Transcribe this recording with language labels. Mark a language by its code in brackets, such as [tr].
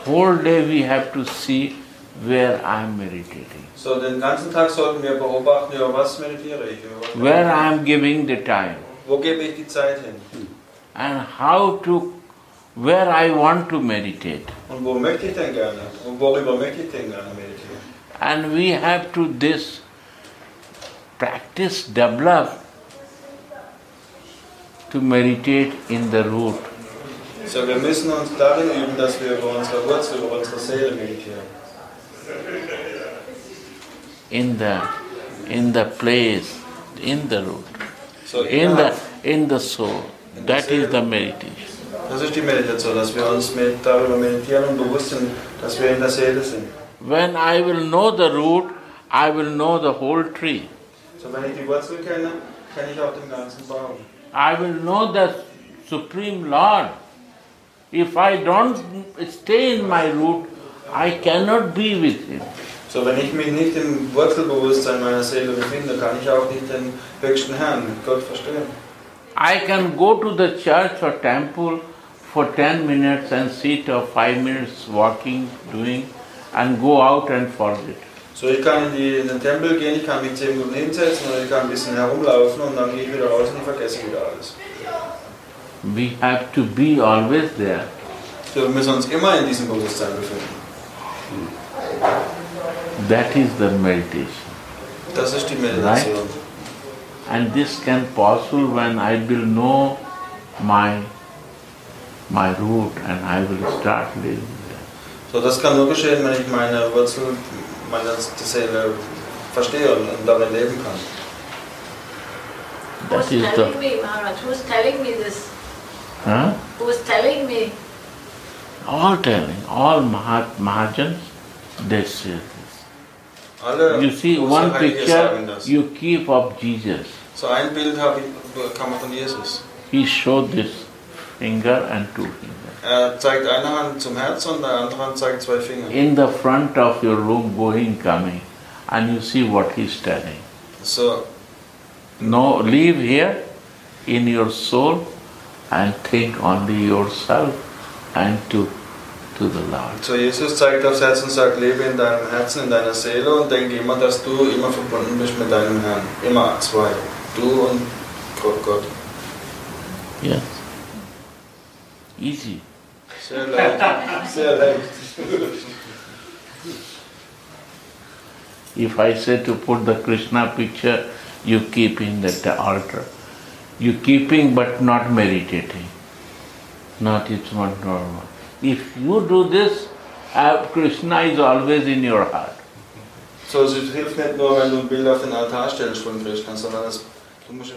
[en] Whole day we have to see where I'm meditating. [de] So, den ganzen Tag sollten wir beobachten, über was meditiere ich? [en] Where I'm giving the time. [de] Wo gebe ich die Zeit hin? [en] And how to, where I want to meditate. [de] Und wo möchte ich denn gerne? Und worüber möchte ich denn gerne meditieren? [en] And we have to this practice develop to meditate in the root. [de] So wir müssen uns darin üben, dass wir über unsere Wurzel, über unsere Seele meditieren. [en] In the place, in the root. So in the soul. In that the is the meditation. [de] Das ist die Meditation, dass wir uns darüber meditieren und bewusst sind, dass wir in der Seele sind. [en] When I will know the root, I will know the whole tree. [de] So wenn ich die Wurzel kenne, kenne ich auch den ganzen Baum. [en] I will know the Supreme Lord. If I don't stay in my root, I cannot be with Him. [de] So wenn ich mich nicht im Wurzelbewusstsein meiner Seele befinde, kann ich auch nicht den höchsten Herrn, Gott, verstehen. [en] I can go to the church or temple for 10 minutes and sit or 5 minutes walking, doing, and go out and forget. [de] So ich kann in den Tempel gehen, ich kann mich 10 Minuten hinsetzen oder ich kann ein bisschen herumlaufen und dann gehe ich wieder raus und vergesse wieder alles. [en] We have to be always there. [de] So wir müssen uns immer in diesem Bewusstsein befinden. [en] That is the meditation. [de] Das ist die Meditation. [en] Right? And this can possible when I will know my root and I will start living there. [de] So das kann nur geschehen, wenn ich meine Wurzel, meine Seele verstehe und darin leben kann. [en] Who's telling me, Maharaj? Who's telling me this? Huh? Who's telling me? All telling, all Mahajans, they say this. [de] Alle, [en] you see one picture you keep of Jesus. [de] So ein Bild habe ich bekommen von Jesus. [en] He showed this finger and two fingers. [de] Er zeigt eine Hand zum Herz und der andere Hand zeigt zwei Finger. [en] In the front of your room, going, coming, and you see what he's telling. So, no, leave here in your soul and think only yourself and to the Lord. [de] So Jesus zeigt aufs Herz und sagt, lebe in deinem Herzen, in deiner Seele und denke immer, dass du immer verbunden bist mit deinem Herrn. Immer zwei. Du und Gott. [en] Yes. Easy. [de] Sehr leicht. Sehr leicht. [en] If I say to put the Krishna picture, you keep in that the altar. You keeping but not meditating. Not it's not normal. If you do this, Krishna is always in your heart. [de] So it hilft nicht nur, wenn du ein Bild auf den Altar stellst von Krishna, sondern das, du musst